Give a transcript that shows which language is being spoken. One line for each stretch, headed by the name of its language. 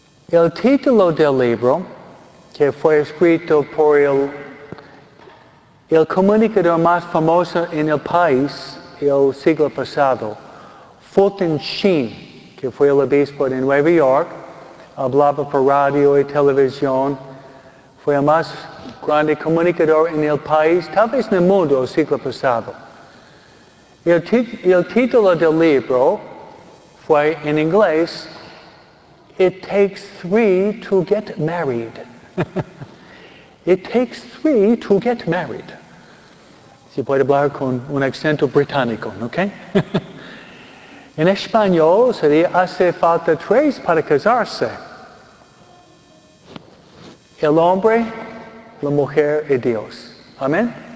Spanish: El título del libro, que fue escrito por el comunicador más famoso en el país el siglo pasado, Fulton Sheen, que fue el obispo de Nueva York, hablaba por radio y televisión, fue el más grande comunicador en el país, tal vez en el mundo el siglo pasado. El título del libro fue en inglés,
English: It Takes Three to Get Married. It Takes Three to Get Married.
Spanish: Se puede hablar con un acento británico, ¿ok? En español sería, hace falta tres para casarse. El hombre, la mujer y Dios. ¿Amén?